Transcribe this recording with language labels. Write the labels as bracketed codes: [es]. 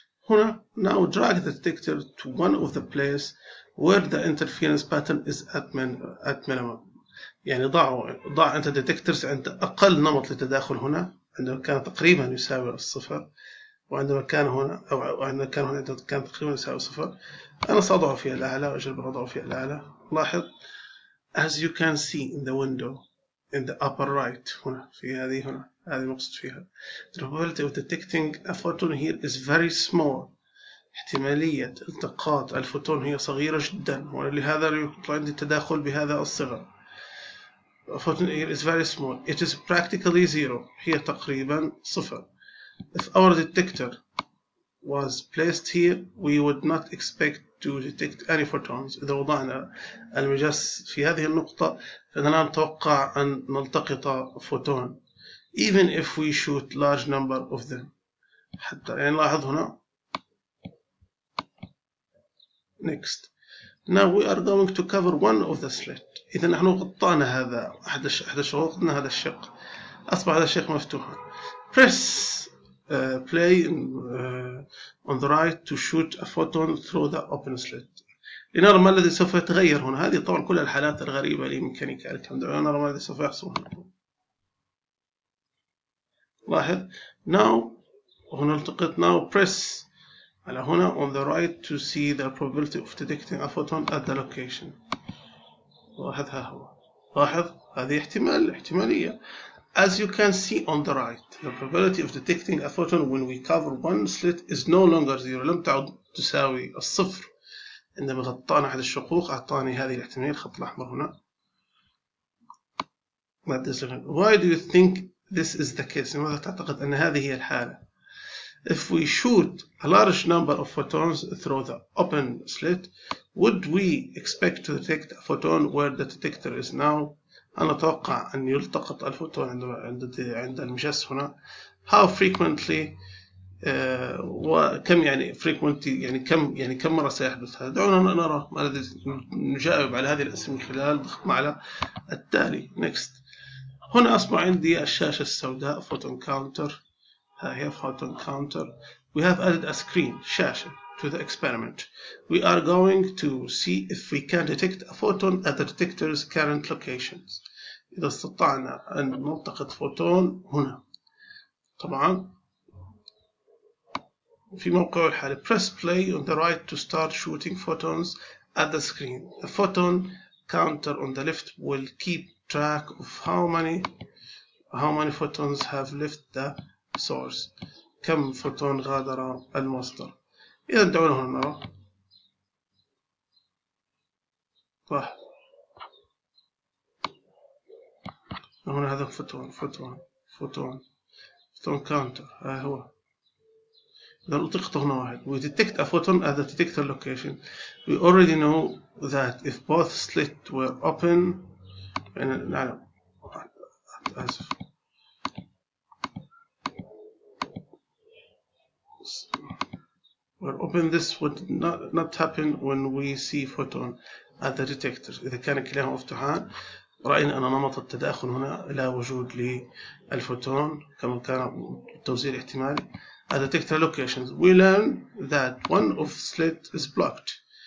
[ar] هنا [en] now drag the detector to one of the places where the interference pattern is at minimum. [ar] يعني ضع انت detectors عند اقل نمط للتداخل هنا عندما كان تقريبا يساوي الصفر، وعندما كان هنا او عندما كان هنا كان تقريبا يساوي الصفر. انا ساضعه في الاعلى واجرب وضعه في الاعلى. لاحظ. [en] As you can see in the window in the upper right. [ar] هنا في هذه، هنا هذه مقصود فيها. [en] The probability of detecting a photon here is very small. [ar] احتمالية التقاط الفوتون هي صغيرة جدا، ولهذا يطلع عندي التداخل بهذا الصغر. [en] A photon here is very small. It is practically zero. [ar] هي تقريبا صفر. [en] If our detector was placed here, we would not expect to detect any photons. [ar] إذا وضعنا المجس في هذه النقطة، فإننا نتوقع أن نلتقط فوتون. [en] Even if we shoot large number of them. [ar] حتى يعني لاحظ هنا. [en] Next. Now we are going to cover one of the slit. [ar] إذا نحن غطينا هذا أحد الشروط، أن هذا الشق أصبح هذا الشق مفتوحا. [en] Press. Play on the right to shoot a photon through the open slit. [ar] لنرى ما الذي سوف يتغير هنا. هذه طبعا كل الحالات الغريبة لميكانيكا الكم. لنرى ما الذي سوف يحصل هنا. لاحظ. [en] Now [ar] هنا التقط. [en] Now press [ar] على هنا [en] on the right to see the probability of detecting a photon at the location. [ar] لاحظ ها هو. لاحظ هذه احتمالية. [en] As you can see on the right, the probability of detecting a photon when we cover one slit is no longer zero. [ar] لم تعد تساوي الصفر عندما غطينا أحد الشقوق. أعطاني هذه الاحتمالية، الخط الأحمر هنا. [en] Why do you think this is the case? [ar] لماذا تعتقد أن هذه هي الحالة؟ [en] If we shoot a large number of photons through the open slit, would we expect to detect a photon where the detector is now? [ar] أنا أتوقع أن يلتقط الفوتون عند المجس هنا. [en] How frequently [ar] وكم يعني [en] frequently [ar] يعني كم مرة سيحدث هذا؟ دعونا نرى ما الذي نجاوب على هذه الأسئلة من خلال ضغطنا على التالي. [en] Next. [ar] هنا أصبح عندي الشاشة السوداء. Photon counter. ها هي photon counter. [en] We have added a screen [ar] شاشة [en] to the experiment. We are going to see if we can detect a photon at the detector's current locations. [ar] إذا استطعنا أن نلتقط فوتون هنا. طبعا في موقع الحالة. [en] Press play on the right to start shooting photons at the screen. A photon counter on the left will keep track of how many photons have left the source. [ar] كم فوتون غادر المصدر. إذا دعونا هنا نرى. هنا هذا فوتون فوتون فوتون فوتون كاونتر. ها هو. إذا التقط هنا واحد. [en] We detect a photon at the detector location. We already know that if both slits were open. [ar] يعني نعلم. آسف. [en] Were open, this would not happen when we see photon at the detector. [ar] إذا كان كلاهما مفتوحان رأينا أن نمط التداخل هنا لا وجود للفوتون كما كان التوزيع الاحتمالي. [en] At a particular location, we learn that one of slit is blocked.